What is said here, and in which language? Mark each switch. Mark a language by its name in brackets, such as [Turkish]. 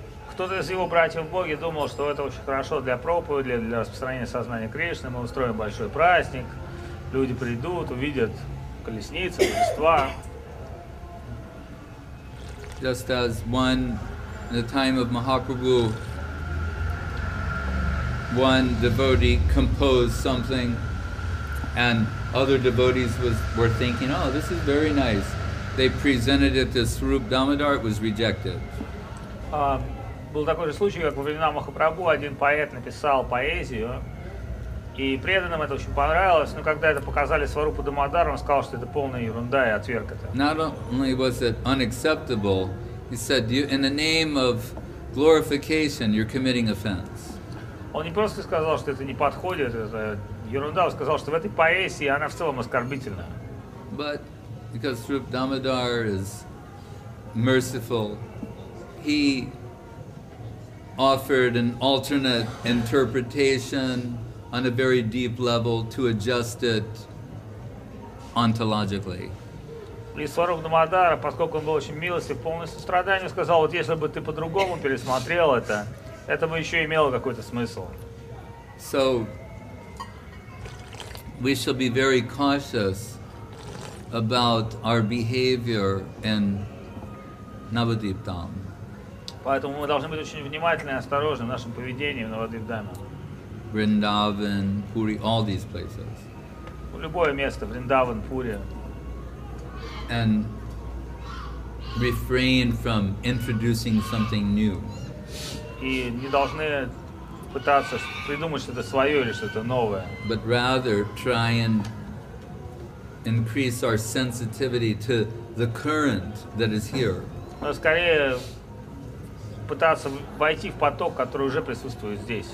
[Russian] Кто-то из его братьев Боги думал, что это очень хорошо для проповеди, для распространения сознания Кришны. Мы устроим большой праздник. Люди придут, увидят колесницы, божества. [English] Just as one, in the time of Mahaprabhu, one devotee composed something and other devotees were thinking, oh, this is very nice. They presented it to Swarup Damodar, it was rejected. [Russian] Был такой же случай, как во времена Махапрабху один поэт написал поэзию, и преданным это очень понравилось, но когда это показали Сварупу Дамодару, он сказал, что это полная ерунда и отверг это. [English] Not only was it unacceptable, he said, in the name of glorification, you're committing offense. [Russian] Он не просто сказал, что это не подходит, это ерунда, он сказал, что в этой поэзии она в целом оскорбительна. [English] But because Srup Damodar is merciful, he offered an alternate interpretation on a very deep level to adjust it ontologically. [Russian] И Сварупа Дамодара, поскольку он был очень милостив, полностью страданию, сказал, вот если бы ты по-другому пересмотрел это, это бы еще имело какой-то смысл. [English] So, we shall be very cautious about our behavior in Navadvip Dham. [Russian] Поэтому мы должны быть очень внимательны и осторожны в нашем поведении в Навадвип Дхаме. [English] Вриндаван, Пури, all these places. [Russian] Любое место, Вриндаван, Пури. [English] And refrain from introducing something new. [Russian] И не должны пытаться придумать что-то свое или что-то новое. [English] But rather try and increase our sensitivity to the current that is here. [Russian] Но скорее пытаться войти в поток, который уже присутствует здесь.